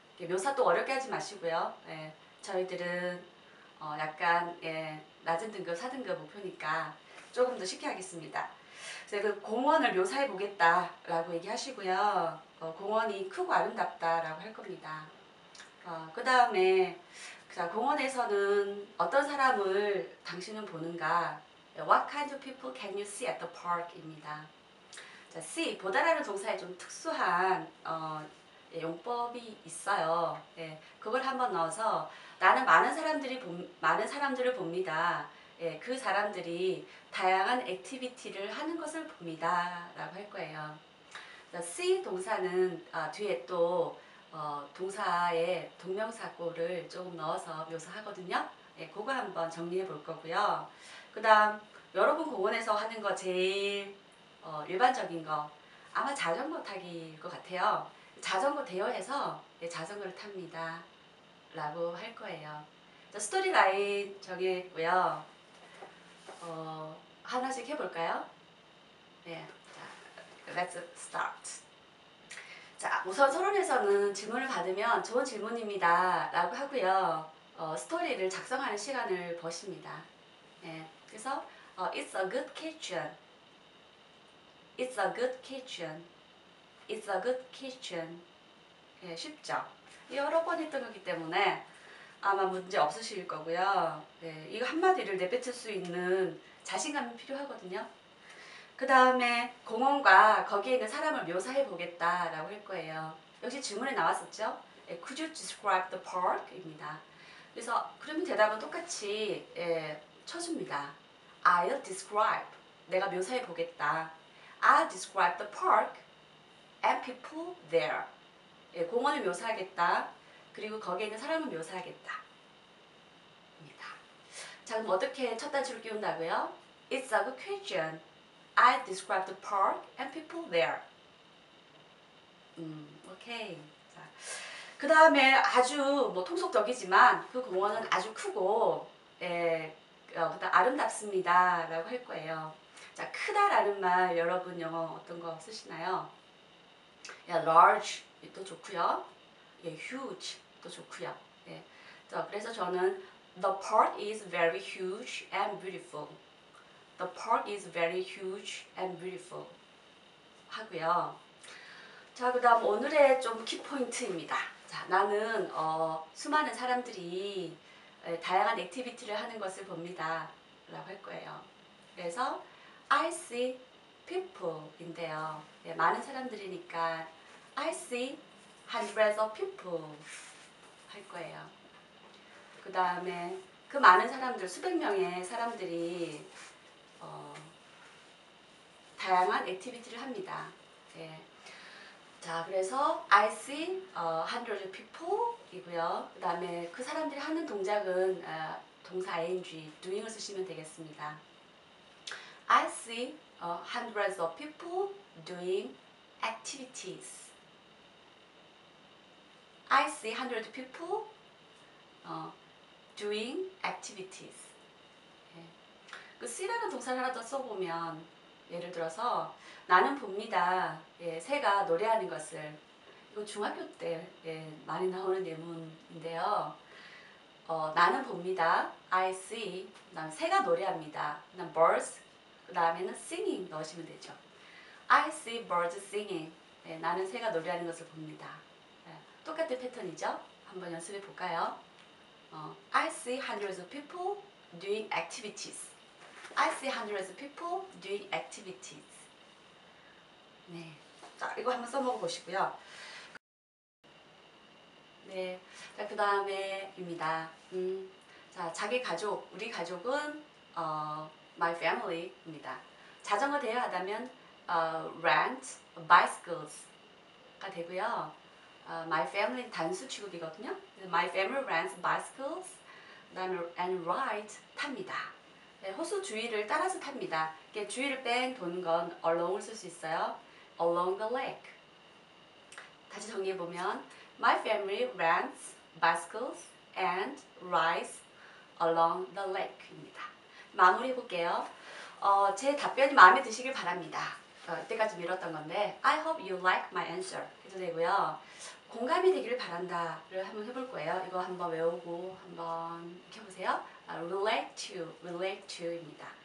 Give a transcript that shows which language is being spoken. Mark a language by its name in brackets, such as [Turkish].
[Korean] 묘사 또 어렵게 하지 마시고요. 저희들은 약간 낮은 등급, 4등급 목표니까 조금 더 쉽게 하겠습니다. 그 공원을 묘사해 보겠다라고 얘기하시고요. 공원이 크고 아름답다라고 할 겁니다. 그 다음에 공원에서는 어떤 사람을 당신은 보는가? [English] What kind of people can you see at the park?입니다. [Korean] 자, see, 보다라는 동사에 좀 특수한 용법이 있어요. 그걸 한번 넣어서 나는 많은 사람들을 봅니다. 그 사람들이 다양한 액티비티를 하는 것을 봅니다. 라고 할 거예요. see 동사는 뒤에 또 동사의 동명사구를 조금 넣어서 묘사하거든요. 그거 한번 정리해 볼 거고요. 그 다음 여러분 공원에서 하는 거 제일 일반적인 거 아마 자전거 타기일 것 같아요. 자전거 대여해서 자전거를 탑니다. 라고 할 거예요. 자, 스토리라인 정했고요. 하나씩 해볼까요? 네. 자, [English] let's start. [Korean] 자, 우선 서론에서는 질문을 받으면 좋은 질문입니다. 라고 하고요. 스토리를 작성하는 시간을 버십니다. 네. 그래서, [English] it's a good kitchen. It's a good kitchen. It's a good kitchen. [Korean] 예, 쉽죠? 여러 번 했던 거기 때문에 아마 문제 없으실 거고요. 예, 이거 한마디를 내뱉을 수 있는 자신감이 필요하거든요. 그 다음에 공원과 거기에 있는 사람을 묘사해 보겠다라고 할 거예요. 역시 질문에 나왔었죠? [English] Could you describe the park? [Korean] 입니다. 그래서 그러면 대답은 똑같이 쳐줍니다. [English] I'll describe. [Korean] 내가 묘사해 보겠다. [English] I'll describe the park. And people there. [Korean] 예, 공원을 묘사하겠다. 그리고 거기에 있는 사람을 묘사하겠다. 입니다. 자, 그럼 어떻게 첫 단추를 끼운다고요? [English] It's a good question. I describe the park and people there. [Korean] 오케이. 자, 그 다음에 아주 뭐 통속적이지만 그 공원은 아주 크고, 아름답습니다. 라고 할 거예요. 자, 크다라는 말 여러분 영어 어떤 거 쓰시나요? Large 또 좋고요. Huge 또 좋고요. 예. [English] 자, 그래서 저는 The park is very huge and beautiful. The park is very huge and beautiful. [Korean] 하고요. 자, 그 다음 오늘의 좀 키포인트입니다. 자, 나는 수많은 사람들이 다양한 액티비티를 하는 것을 봅니다. 라고 할 거예요. 그래서 [English] I see people인데요. [Korean] 예, 많은 사람들이니까 [English] I see hundreds of people [Korean] 할 거예요. 그 다음에 그 많은 사람들, 수백 명의 사람들이 다양한 액티비티를 합니다. 예. 자, 그래서 [English] I see hundreds of people [Korean] 이고요. 그 다음에 그 사람들이 하는 동작은 동사 ing, doing을 쓰시면 되겠습니다. [English] I see hundreds of people doing activities. I see hundreds of people doing activities. [Korean] 그 see라는 동사를 하나 더 써보면, 예를 들어서, 나는 봅니다. 예, 새가 노래하는 것을. 이거 중학교 때, 예, 많이 나오는 예문인데요. 나는 봅니다. [English] I see. [Korean] 그 다음, 새가 노래합니다. 그 다음, birds. 그 다음에는 singing 넣으시면 되죠. [English] I see birds singing. [Korean] 예, 나는 새가 노래하는 것을 봅니다. 예, 똑같은 패턴이죠. 한번 연습해 볼까요? [English] I see hundreds of people doing activities. I see hundreds of people doing activities. [Korean] 네. 자, 이거 한번 써먹어 보시고요. 네. 자, 그 다음에입니다. 자, 자기 가족, 우리 가족은, [English] my family [Korean] 입니다. 자전거 대여하다면, [English] rent bicycles [Korean] 가 되고요. [English] My family [Korean] 단수 취급이거든요. [English] My family rents bicycles and ride [Korean] 탑니다. 네, 호수 주위를 따라서 탑니다. 이렇게 주위를 뺑 도는 건 along을 쓸수 있어요. [English] Along the lake. 다시 정리해 보면, My family rents bicycles and rides along the lake입니다. [Korean] 마무리해 볼게요. 제 답변이 마음에 드시길 바랍니다. 이때까지 미뤘던 건데, [English] I hope you like my answer [Korean] 해도 되고요. 공감이 되기를 바란다를 한번 해볼 거예요. 이거 한번 외우고 한번 익혀보세요. [English] Relate to입니다.